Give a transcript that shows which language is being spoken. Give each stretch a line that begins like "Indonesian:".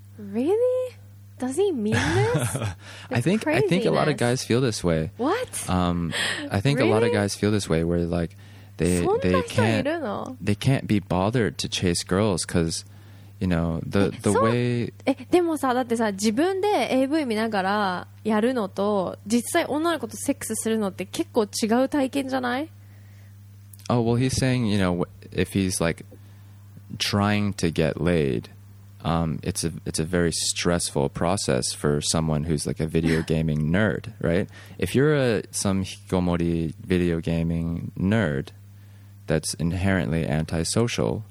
English: Really? Does he mean this? I think a lot of guys feel this way. What? I think really? A lot of guys feel this way where like they can't be bothered to chase girls because you know the way.
Japanese: でもさ、だってさ、自分で AV 見ながらやるのと実際女の子とセックスするのって結構違う体験じゃない？
English: Oh well, he's saying you know if he's like trying to get laid. It's a very stressful process for someone who's like a video gaming nerd, right? If you're some hikikomori video gaming nerd that's inherently antisocial,